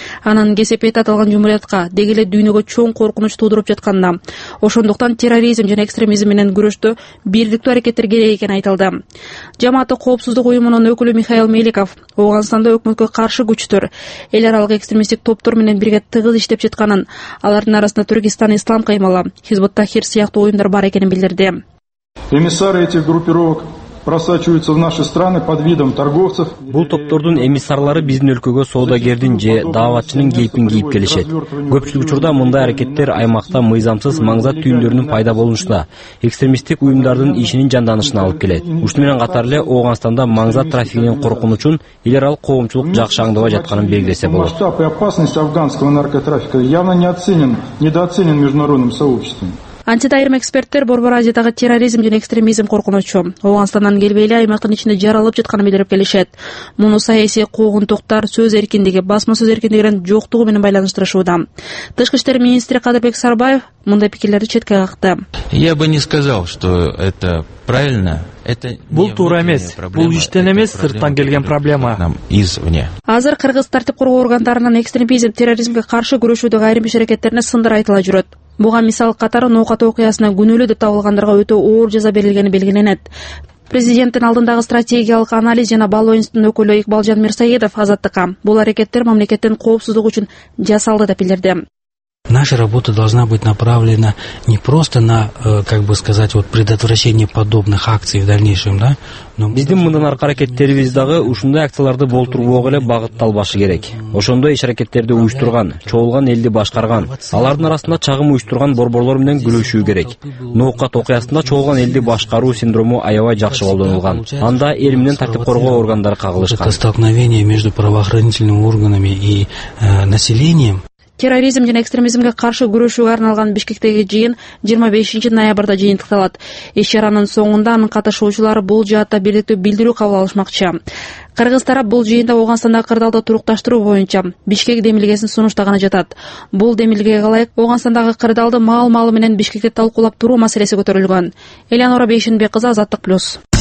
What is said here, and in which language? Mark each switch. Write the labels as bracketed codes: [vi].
[ky] Анын кесепети аталган жумуриятка, деги эле дүйнөгө чоң коркунуч туудуруп жатканына, ошондуктан терроризм жана экстремизм менен күрөштө бирдиктүү аракеттер керек экени айтылды. Жамааттык коопсуздук уюмунун өкүлү Михаил Меликов Ооганстанда өкмөткө каршы күчтөр, эл аралык экстремисттик топтор менен бирге тыгыз иштеп жатканын, алардын арасында Түркистан Ислам Каймалы, Хизбут Тахир сыяктуу уюмдар бар экенин билдирди. [ru] Эмиссары этих группировок просачиваются в наши страны под видом торговцев. [ky] Бул топтордун эмиссарлары биздин өлкөгө соодагердин же даавачынын кейпин кийип келишет. Көпчүлүк учурда мындай аракеттер аймакта мыйзамсыз маңзат түйүндөрүнүн пайда болушуна, экстремисттик уюмдардын ишинин жанданышына алып келет. Ушуну менен катар эле Ооганстанда маңзат трафигинин коркунучун эл аралык коомчулук жакшы аңдоо жатканын белгилесе болот. [ru] Масштаб и опасность афганского наркотрафика явно недооценен международным сообществом. [ky] Антитайрым эксперттер Борбор Азиядагы терроризм жана экстремизм коркунучу. Оогонстандан келбей эле аймактын ичинде жаралып жатканын билдирип келишет. Муну саясий куугунтуктар, сөз эркиндиги, басма сөз эркиндигинин жоктугу менен байланыштырышууда. Тышкы иштер министри Кадырбек Сарбаев мындай пикирлерди четке какты. [ru] Я бы не сказал, что это правильно. [ky] Бул туура эмес, бул иштен эмес, сырттан келген проблема. Азыр кыргыз тартип коргоо органдарынан экстремизм, терроризмге каршы күрөшүүдөгү айрым иш аракеттерине сындар айтыла жүрөт. Буга мисал катары Ноокат окуясына күнөөлүү деп табылгандарга өтө оор жаза берилгени белгиленет. Президенттин алдындагы стратегиялык анализ жана баалоо институтунун өкүлү Икбалжан Мирсаедов азаттыкка бул аракеттер мамлекеттин коопсуздугу үчүн жасалды деп билдирди. [ru] Наша работа должна быть направлена не просто на, как бы сказать, вот предотвращение подобных акций в дальнейшем, да? [ky] Биздин мындан аркы аракеттерибиз дагы ушундай акцияларды болтурбоого эле багытталбашы керек. Ошондой иш аракеттерди уюштурган, чогулган элди башкарган, алардын арасында чагым уюштурган борборлор менен күрөшүү керек. Ноокат окуясында чогулган элди башкаруу синдрому аябай жакшы колдонулган. Анда эл менен тартип коргоо органдары кагылышкан. [ru] Это столкновение между правоохранительными органами и населением. [ky] Терроризм жана экстремизмге каршы күрөшүүгө арналган Бишкектеги жыйын 25 ноябрда жыйынтыкталат. Иш-чаранын соңунда анын катышуучулары бул жаатта бирдиктүү билдирүү кабыл алышмакчы. Кыргыз тарап бул жыйында Ооганстандагы кырдаалды турукташтыруу боюнча Бишкек демилгесин сунуштаганы жатат. Бул демилгеге ылайык Ооганстандагы кырдаалды маал-маалы менен Бишкекте талкуулап туруу маселеси көтөрүлгөн. Эленора Бейшенбек кызы Азаттык Плюс.